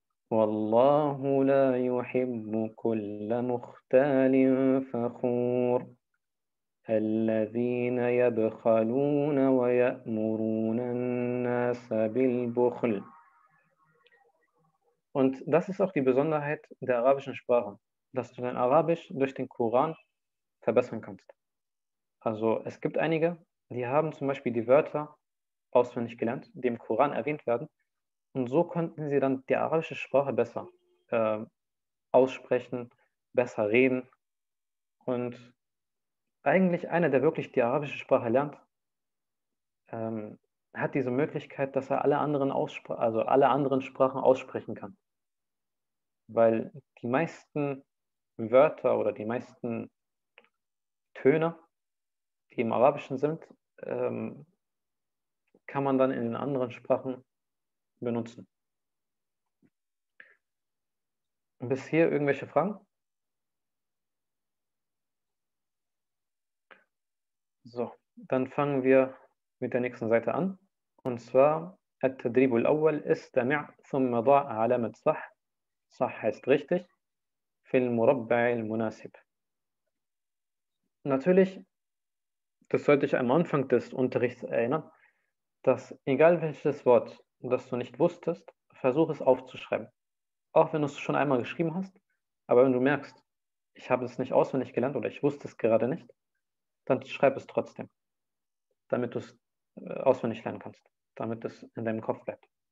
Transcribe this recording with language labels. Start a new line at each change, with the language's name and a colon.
Arabic: والله لا يحب كل مختال فخور. الذين يبخلون ويأمرون الناس بالبخل.
German: Und das ist auch die Besonderheit der arabischen Sprache, dass du dein Arabisch durch den Koran verbessern kannst. Also es gibt einige, die haben zum Beispiel die Wörter auswendig gelernt, die im Koran erwähnt werden. Und so konnten sie dann die arabische Sprache besser aussprechen, besser reden. Und eigentlich einer, der wirklich die arabische Sprache lernt, hat diese Möglichkeit, dass er alle anderen Sprachen aussprechen kann. Weil die meisten Wörter oder die meisten Töne, die im Arabischen sind, kann man dann in den anderen Sprachen benutzen. Bis hier irgendwelche Fragen? So, dann fangen wir mit der nächsten Seite an. Und zwar,
Arabic: التدريب الأول استمع ثم ضع علامة صح. صح
German: heißt richtig,
Arabic: في المربع المناسب.
German: Natürlich, das sollte dich am Anfang des Unterrichts erinnern, dass egal welches Wort, das du nicht wusstest, versuch es aufzuschreiben. Auch wenn du es schon einmal geschrieben hast, aber wenn du merkst, ich habe es nicht auswendig gelernt oder ich wusste es gerade nicht, dann schreib es trotzdem, damit du es auswendig lernen kannst, damit es in deinem Kopf bleibt.